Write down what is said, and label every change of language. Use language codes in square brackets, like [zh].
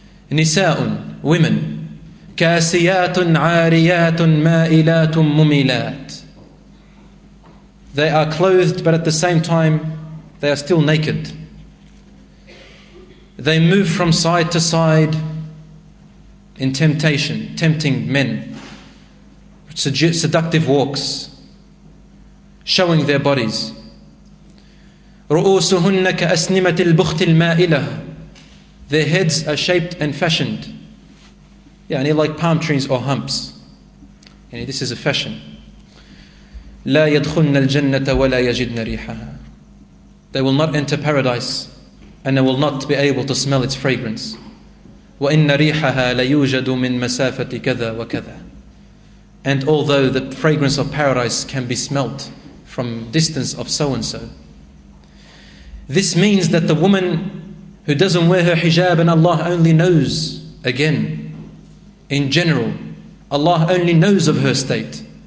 [ar] نِسَاءٌ, [en] women, [ar] كاسيات عاريات مائلات مميلات. [en] They are clothed, but at the same time, they are still naked. They move from side to side in temptation, tempting men. Seductive walks, showing their bodies. [ar] رؤوسهن كأسنمة البخت المائلة. [en] Their heads are shaped and fashioned. Yeah, and they're like palm trees or humps. Yeah, this is a fashion. [ar] لا يدخلن الجنة ولا يجدن ريحها. [en] They will not enter paradise and they will not be able to smell its fragrance. [ar] وإن ريحها ليوجد من مسافة كذا وكذا. [en] And although the fragrance of paradise can be smelt from distance of so and so. This means that the woman who doesn't wear her hijab and Allah only knows, again, in general, Allah only knows of her state.